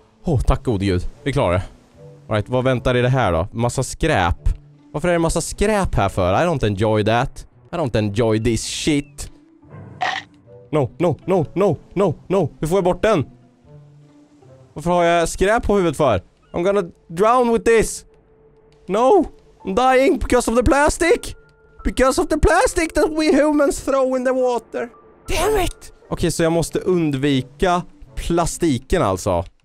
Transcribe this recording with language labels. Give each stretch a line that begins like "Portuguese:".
Swedish: Åh, tack gode Gud, vi klarar det. All right, vad väntar i det här då? Massa skräp. Varför är det massa skräp här för?
English: I don't enjoy that. I don't enjoy this shit. No, no, no, no, no, no.
Swedish: Hur får jag bort den? Varför har jag skräp på huvudet för?
English: I'm gonna drown with this. No, I'm dying because of the plastic. Because of the plastic that we humans throw in the water. Damn it.
Swedish: Okej, så jag måste undvika plastiken alltså.